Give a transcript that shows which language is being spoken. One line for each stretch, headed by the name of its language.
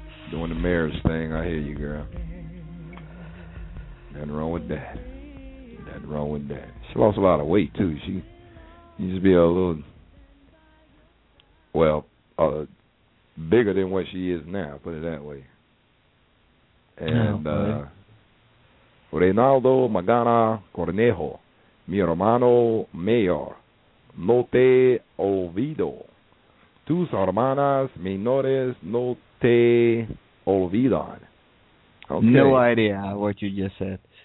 English: Doing the marriage thing. I hear you, girl. Nothing wrong with that. Nothing wrong with that. She lost a lot of weight too. She used to be a little, well, bigger than what she is now, put it that way.
Spanish: And Reynaldo Magana Cornejo, mi hermano mayor, no te olvido. Tus hermanas menores no te olvidan.
English: Okay. No idea what you just said.